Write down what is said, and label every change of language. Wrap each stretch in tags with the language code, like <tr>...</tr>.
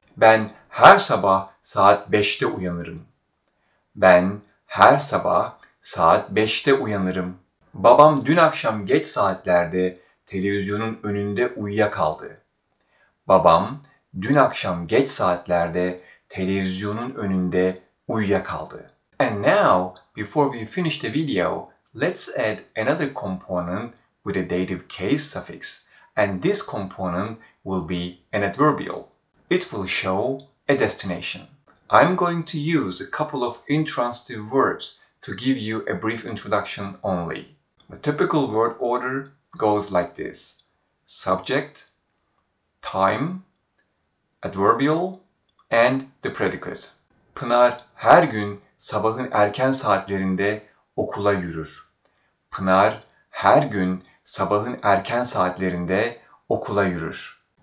<tr>Ben her sabah saat 5'te uyanırım. Ben her sabah saat 5'te uyanırım. Babam dün akşam geç saatlerde televizyonun önünde uyuyakaldı. Babam dün akşam geç saatlerde televizyonun önünde uyuyakaldı.</tr> <en>And now, before we finish the video, let's add another component with a dative case suffix. And this component will be an adverbial. It will show a destination. I'm going to use a couple of intransitive verbs to give you a brief introduction only. The typical word order goes like this: subject, time, adverbial, and the predicate.</en> <tr>Pınar her gün sabahın erken saatlerinde okula yürür. Pınar her gün sabahın erken saatlerinde okula yürür.</tr>